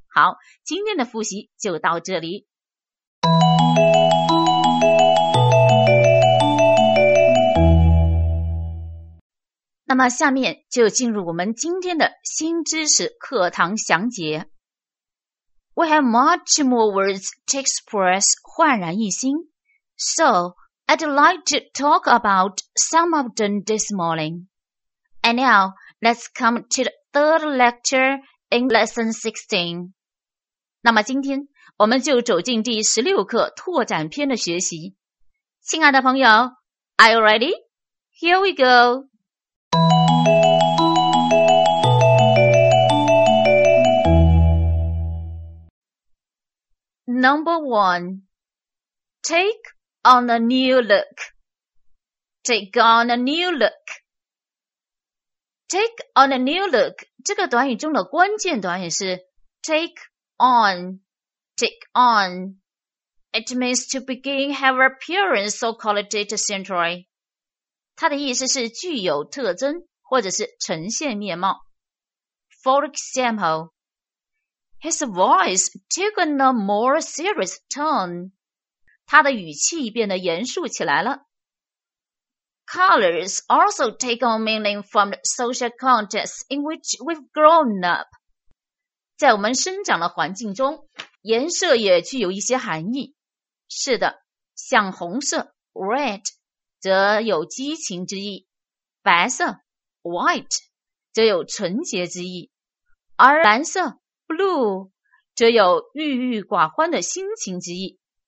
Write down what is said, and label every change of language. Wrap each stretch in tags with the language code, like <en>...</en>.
<zh>好，今天的复习就到这里。那么下面就进入我们今天的新知识课堂详解。</zh> <en>We have much more words to express</en> <zh>焕然一新。</zh> <en>So, I'd like to talk about some of them this morning. And now, let's come to the third lecture in lesson 16.</en> <zh>那么今天我们就走进第16课拓展篇的学习。亲爱的朋友，</zh> <en>Are you ready? Here we go! 1. Take on a new look. Take on a new look. Take on a new look,</en> <zh>这个短语中的关键短语是</zh> <en>take on, take on. It means to begin, have appearance or quality to centrally.</en> <zh>它的意思是具有特征或者是呈现面貌。</zh> <en>For example, his voice took on a more serious tone.</en> <zh>他的语气变得严肃起来了。</zh> <en>Colors also take on meaning from the social context in which we've grown up.</en> <zh>在我们生长的环境中，颜色也具有一些含义。是的，像红色 red 则有激情之意，白色 white 则有纯洁之意，而蓝色 blue 则有郁郁寡欢的心情之意。</zh>